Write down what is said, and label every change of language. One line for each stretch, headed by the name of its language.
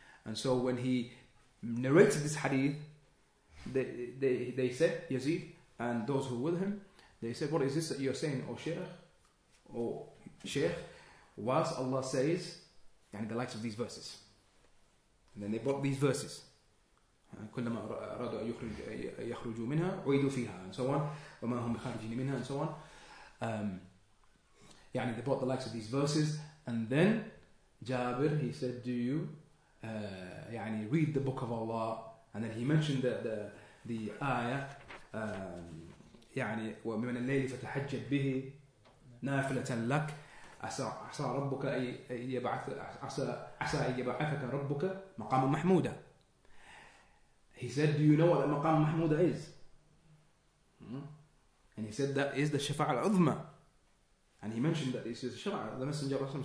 English: And so when he narrated this hadith, they said, Yazid and those who were with him, they said, "What is this that you're saying, O Sheikh, whilst Allah says, and the likes of these verses?" And then they brought these verses.
Arabic: كلما أرادوا أن يخرجوا منها عيدوا فيها
English: and so on
Arabic: وما هم خارجين منها and so on.
English: يعني they brought the likes of these verses, and then Jabir, he said, "Do you يعني read the book of Allah?" And then he mentioned the ayah
Arabic: يعني ومن الليل فتحجب به نافلة لك عسى ربك أن يبعثك ربك مقاما محمودا.
English: He said, "Do you know what the Maqam Mahmuda is?" And he said, "That is the Shafa'a al-Uzma." And he mentioned that this is the Shafa'a, the Messenger of Allah.